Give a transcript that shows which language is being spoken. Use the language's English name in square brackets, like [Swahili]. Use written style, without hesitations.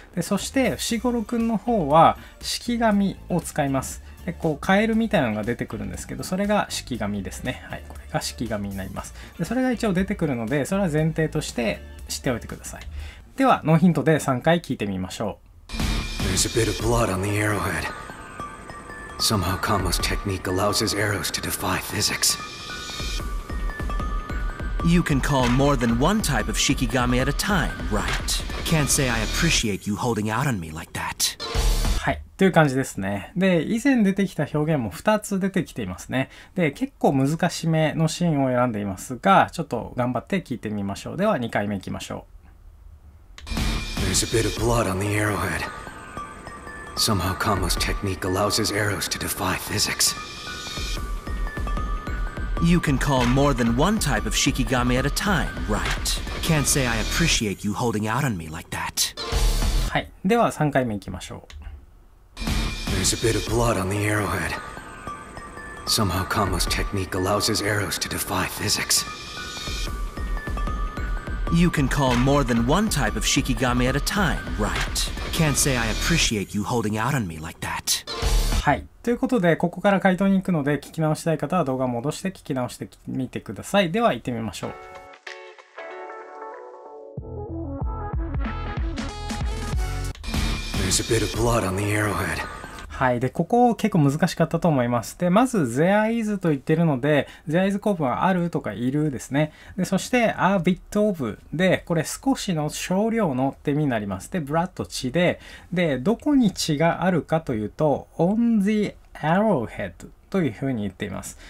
[Japanese] でそして、伏黒くんの方は、式神を使います。でこう、カエルみたいなのが出てくるんですけど、それが式神ですね。はい。が式紙になります。でそれが一応出てくるので、それは前提として知っておいてください。ではノーヒントで3回聞いてみましょう。 [English] There's a bit of blood on the arrowhead. Somehow Kamo's technique allows his arrows to defy physics. You can call more than one type of shikigami at a time, right? Can't say I appreciate you holding out on me like that. [Japanese] はい、という感じですね。で以前出てきた表現も2つ出てきていますね。で結構難しめのシーンを選んでいますが、ちょっと頑張って聞いてみましょう。では2回目いきましょう。 [English] There's a bit of blood on the arrowhead. Somehow Kamo's technique allows his arrows to defy physics. You can call more than one type of shikigami at a time, right? Can't say I appreciate you holding out on me like that. [Japanese] はい、では3回目いきましょう。 [English] There's a bit of blood on the arrowhead. Somehow Kamo's technique allows his arrows to defy physics. You can call more than one type of shikigami at a time, right? Can't say I appreciate you holding out on me like that. [Japanese] はい、ということでここから回答に行くので、聞き直したい方は動画を戻して聞き直してみてください。では行ってみましょう。 [English] There's a bit of blood on the arrowhead. [Japanese] はい、でここ結構難しかったと思います。でまず [English] there is [Japanese] と言ってるので、 there is 構文はあるとかいるですね。でそして [English] a bit of [Japanese] で、これ少しの少量のって意味になります。で blood と血で、でどこに血があるかというと [English] on the arrowhead [Japanese] というふうに言っています。